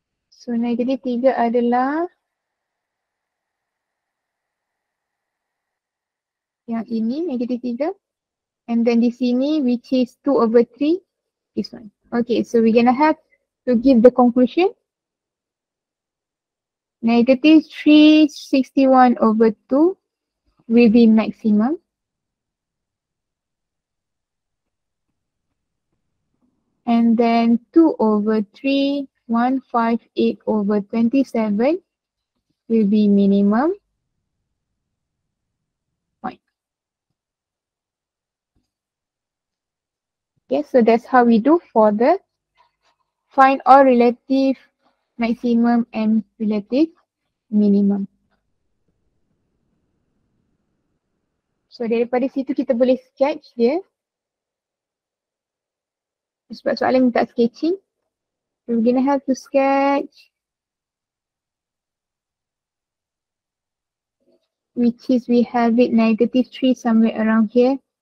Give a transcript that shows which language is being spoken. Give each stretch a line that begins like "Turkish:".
Malay: So negatif 3 adalah yang ini, negatif 3.
English: And then
Malay: di sini
English: which is 2 over 3, this one. Okay, so we're gonna have to give the conclusion. Negative 3, 61 over 2. Will be maximum. And then 2 over 3, 158 over 27 will be minimum point. Okay, so that's how we do for the find all relative maximum and relative minimum.
Malay: So daripada situ kita boleh sketch dia. Sebab soalan minta sketching.
English: We're gonna have to sketch which is we have it negative 3 somewhere around here.